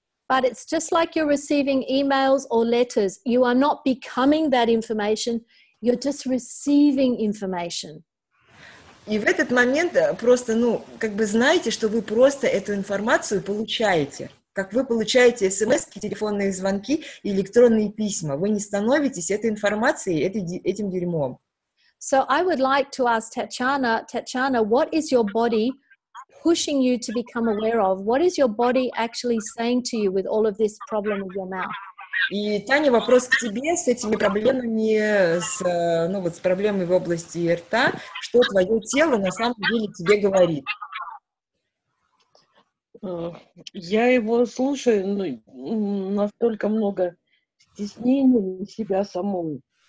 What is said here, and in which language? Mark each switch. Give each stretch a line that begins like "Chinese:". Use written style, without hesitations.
English: But it's just like you're receiving emails or letters. You are not becoming that information, you're just receiving information.
Russian: И в этот момент просто, ну, как бы знаете, что вы просто эту информацию получаете. Как вы получаете смски, телефонные звонки, электронные письма. Вы не становитесь этой информацией, этим дерьмом.
English: So I would like to ask Tatiana, what is your body pushing you to become aware of? What is your body actually saying to you with all of this problem with your mouth?
Russian: И, Таня, вопрос к тебе с этими проблемами, с проблемой в области рта. Что твое тело на самом деле тебе говорит? Я его слушаю, ну, настолько много стеснений на себя самой.